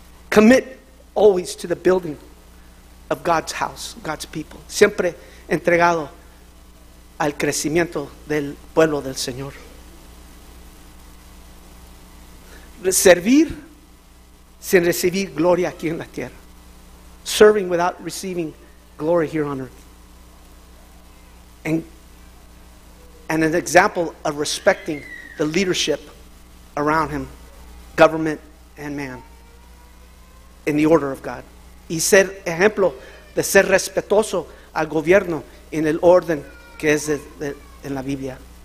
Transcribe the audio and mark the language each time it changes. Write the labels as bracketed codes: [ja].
[en] Commit always to the building of God's house, God's people. [es] Siempre entregado al crecimiento del pueblo del Señor. Servir sin recibir gloria aquí en la tierra. [en] Serving without receiving glory here on earth. And an example of respecting the leadership around him, government and man, in the order of God. [es] Y ser ejemplo de ser respetuoso al gobierno en el orden que es de en la Biblia.